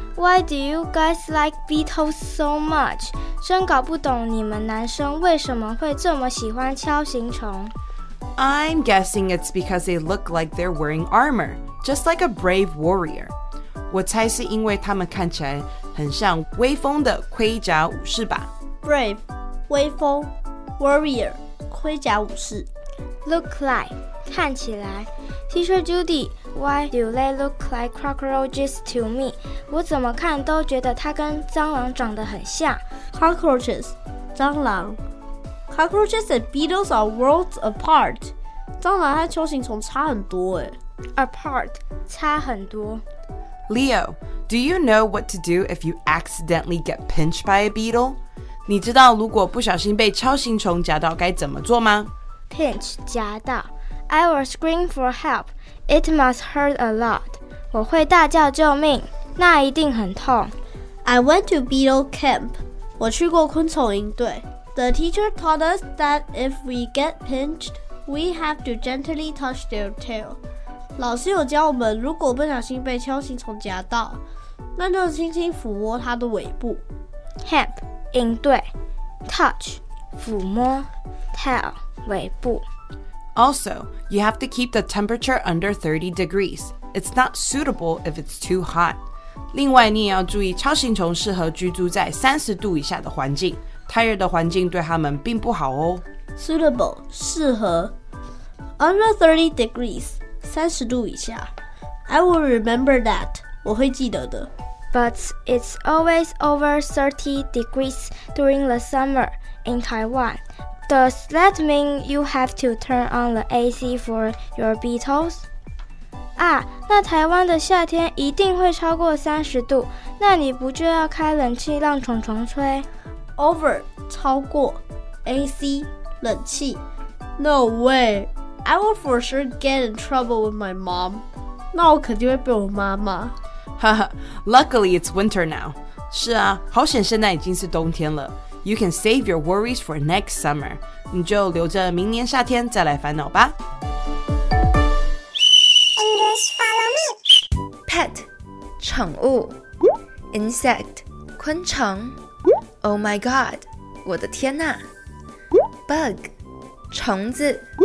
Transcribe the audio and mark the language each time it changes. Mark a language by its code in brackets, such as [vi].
[en] Why do you guys like beetles so much? [zh] 真搞不懂你们男生为什么会这么喜欢锹形虫。 [en] I'm guessing it's because they look like they're wearing armor, just like a brave warrior. [zh] 我猜是因为他们看起来很像威风的盔甲武士吧。 Brave, 威风 warrior, 盔甲武士。 Look like, 看起来。 [en] Teacher Judy, why do they look like cockroaches to me? [zh] 我怎么看都觉得它跟蟑螂长得很像。 [en] Cockroaches, 蟑螂。Cockroaches and beetles are worlds apart. [zh] 蟑螂和锹形虫差很多耶。 Apart, 差很多。 [en] Leo, do you know what to do if you accidentally get pinched by a beetle? [zh] 你知道如果不小心被锹形虫夹到该怎么做吗？ [en] Pinch, 夹到。I will scream for help. It must hurt a lot. [zh] 我会大叫救命，那一定很痛。 [en] I went to beetle camp. 我去过昆虫营队。 The teacher taught us that if we get pinched, we have to gently touch their tail. [zh] 老师有教我们，如果不小心被锹形虫夹到，那就轻轻抚摸它的尾部。 Camp, 营队。Touch, 抚摸。 Tail, 尾部。 [en] Also, you have to keep the temperature under 30 degrees. It's not suitable if it's too hot. [zh] 另外你也要注意锹形虫适合居住在30度以下的环境。太热的环境对它们并不好哦。 [en] Suitable, 适合。Under 30 degrees, 30度以下。 I will remember that, 我会记得的。 But it's always over 30 degrees during the summer in Taiwan. Does that mean you have to turn on the AC for your beetles? [zh] 啊，那台湾的夏天一定会超过30度，那你不就要开冷气让虫虫吹？ Over, 超过 AC, 冷气。 [en] No way, I will for sure get in trouble with my mom. [zh] 那我肯定会被我妈骂。 [en] Luckily it's winter now. [zh] 是啊，好险现在已经是冬天了。 [en] You can save your worries for next summer. [zh] 你就留着明年夏天再来烦恼吧。 [en] English follow me. [zh] Pet, 宠物。Insect, 昆虫。 Oh my God, 我的天哪。Bug, 虫子。